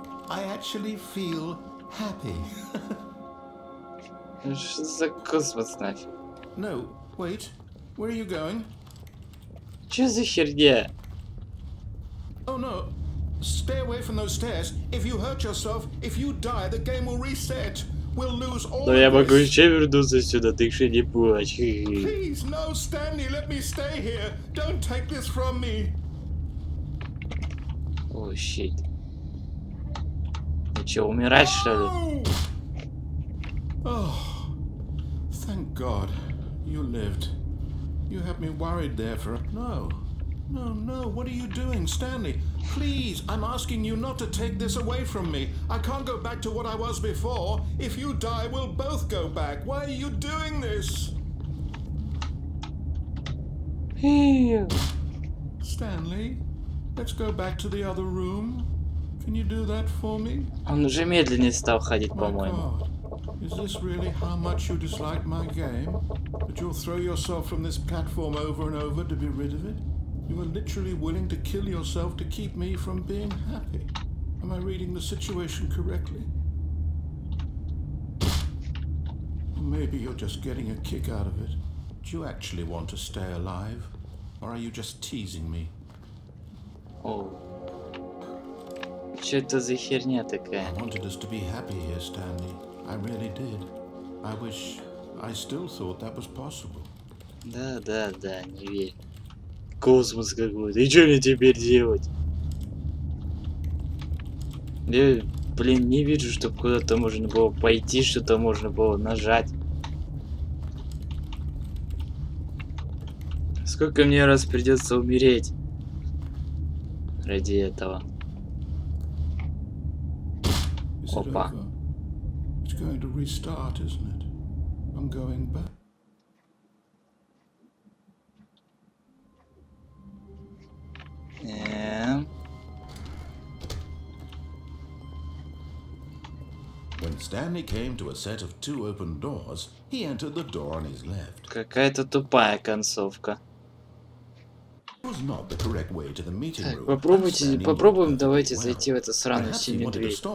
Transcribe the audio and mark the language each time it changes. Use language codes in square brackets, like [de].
[en] I actually feel happy. [ru] Что за космос, значит? [en] No, wait. Where are you going? [ru] Что за херня? [en] Oh no. Stay away from those stairs. If you hurt yourself, if you die, the game will reset. We'll lose all. [ru] Да я могу еще вернуться сюда, ты еще не плачь. [en] Please, no, Stanley, let me stay here. Don't take this from me. [ru] О, shit. Ты че, умирать, что ли? [en] Oh, thank God, you lived. You had me worried there for a... No, what are you doing, Stanley? Please, I'm asking you not to take this away from me. I can't go back to what I was before. If you die, we'll both go back. Why are you doing this? Stanley, let's go back to the other room. Can you do that for me? [ru] Он уже медленнее стал ходить, по-моему. [en] Is this really how much you dislike my game? That you'll throw yourself from this platform over and over to be rid of it? You are literally willing to kill yourself to keep me from being happy. Am I reading the situation correctly? Or maybe you're just getting a kick out of it. Do you actually want to stay alive? Or are you just teasing me? [ru] Oh. Что это за херня такая? [en] I wanted us to be happy here, Stanley. I really did. I wish I still thought that was possible. [ru] Да, не верь. Космос какой-то. И что мне теперь делать? Я, блин, не вижу, чтобы куда-то можно было пойти, что-то можно было нажать. Сколько мне раз придется умереть ради этого? Опа. [en] It's going to restart, isn't it? I'm going back. When Stanley came to a set of two open doors, he entered the door on his left. [ru] Какая-то тупая концовка. [en] Was not the correct way to the meeting room. [ru] Так, попробуем давайте зайти в эту сраную синюю дверь.